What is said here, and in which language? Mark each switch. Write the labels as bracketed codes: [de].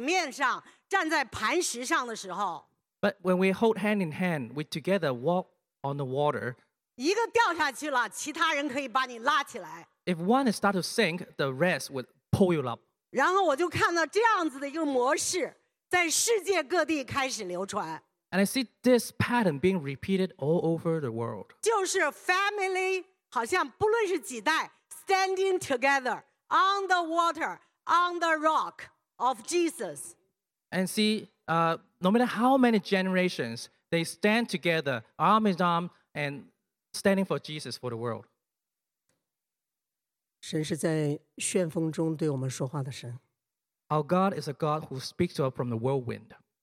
[zh] 但是当我们手拉手站在水面上，站在磐石上的时候， [en] But when we hold hand in hand, we together walk on the water. [zh] 一个掉下去了，其他人可以把你拉起来。 [en] If one is start to sink, the rest would pull you up. [zh] 然后我就看到这样子的一个模式，在世界各地开始流传。 [en] And I see this pattern being repeated all over the world. [zh] 就是 [en] family, [zh] 好像不论是几代, [en] standing together on the water, on the rock of Jesus. And see, no matter how many generations, they stand together, arm in arm, and standing for Jesus for the world. [zh] 神是在旋风中对我们说话的神。 [en] Our God is a God who speaks to us from the whirlwind.